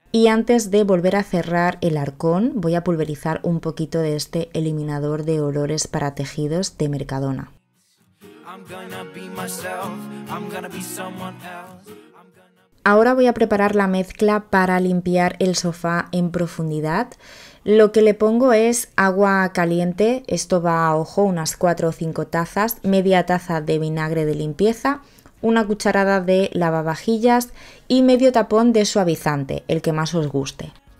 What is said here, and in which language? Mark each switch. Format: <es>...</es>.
<es>Y antes de volver a cerrar el arcón, voy a pulverizar un poquito de este eliminador de olores para tejidos de Mercadona.</es> <en>I'm gonna be myself. I'm gonna be someone else.</en> <es>Ahora voy a preparar la mezcla para limpiar el sofá en profundidad. Lo que le pongo es agua caliente, esto va a ojo, unas 4 o 5 tazas, media taza de vinagre de limpieza, una cucharada de lavavajillas y medio tapón de suavizante, el que más os guste.</es>